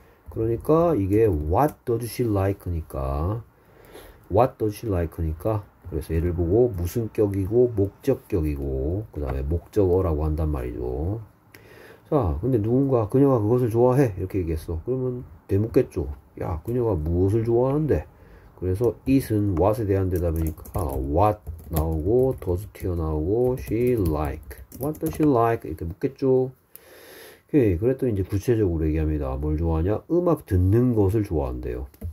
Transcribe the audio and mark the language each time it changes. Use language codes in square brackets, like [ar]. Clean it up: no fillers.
[ko] 그러니까 이게 [en] what does she like [ko] 니까 what does she like니까 그래서 얘를 보고 무슨 격이고 목적격이고 그 다음에 목적어라고 한단 말이죠. 자, 근데 누군가 그녀가 그것을 좋아해 이렇게 얘기했어. 그러면 되묻겠죠. 야, 그녀가 무엇을 좋아하는데? 그래서 it은 what에 대한 대답이니까 what 나오고 does 튀어나오고 she like [en] what does she like [ko] 이렇게 묻겠죠. 예, 그랬더니 이제 구체적으로 얘기합니다. 뭘 좋아하냐? 음악 듣는 것을 좋아한대요.